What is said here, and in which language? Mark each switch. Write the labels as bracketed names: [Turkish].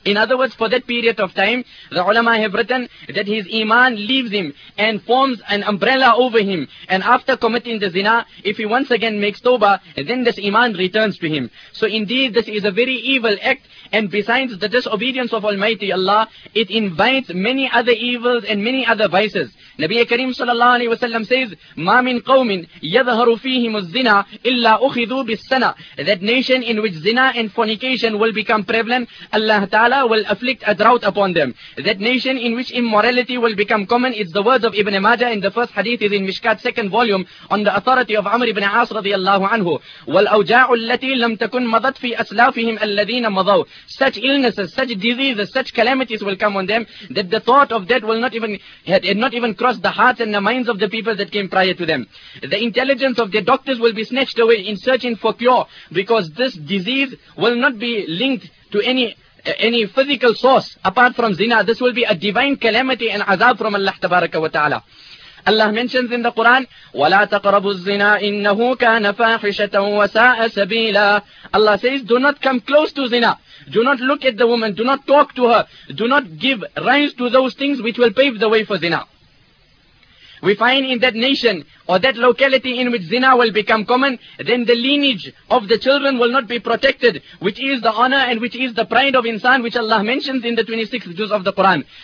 [English] In other words, for that period of time, the ulama have written that his iman leaves him and forms an umbrella over him. And after committing the zina, if he once again makes tawbah, then this iman returns to him. So indeed, this is a very evil act. And besides the disobedience of Almighty Allah, it invites many other evils and many other vices. [Arabic] Nabi Kareem sallallahu alayhi wa sallam [English] says, [Arabic] مَا مِنْ قَوْمٍ يَظَهَرُ فِيهِمُ الزِّنَا إِلَّا أُخِذُوا بِالسَّنَةِ. [English] That nation in which zina and fornication will become prevalent, Allah Ta'ala will afflict a drought upon them. That nation in which immorality will become common, it's the words of Ibn Majah in the first hadith is in Mishkat second volume on the authority of Amr ibn As radiallahu anhu. [Arabic] وَالْأَوْجَاعُ الَّتِي لَمْ تَكُنْ مَضَتْ فِي أَسْلَافِهِمْ الَّذِينَ مَضَوْا. [English] Such illnesses, such diseases, such calamities will come on them that the thought of that will not even cross the hearts and the minds of the people that came prior to them. The intelligence of their doctors will be snatched away in searching for cure, because this disease will not be linked to any physical source apart from zina. This will be a divine calamity and azab from Allah tabaraka wa ta'ala. Allah mentions in the Quran, [Arabic] وَلَا تَقْرَبُوا الزِّنَا إِنَّهُ كَانَ فَاحِشَةً وَسَاءَ سَبِيلًا. [English] Allah says, do not come close to zina. Do not look at the woman. Do not talk to her. Do not give rise to those things which will pave the way for zina. We find in that nation or that locality in which zina will become common, then the lineage of the children will not be protected, which is the honor and which is the pride of insan, which Allah mentions in the 26th juz of the Quran.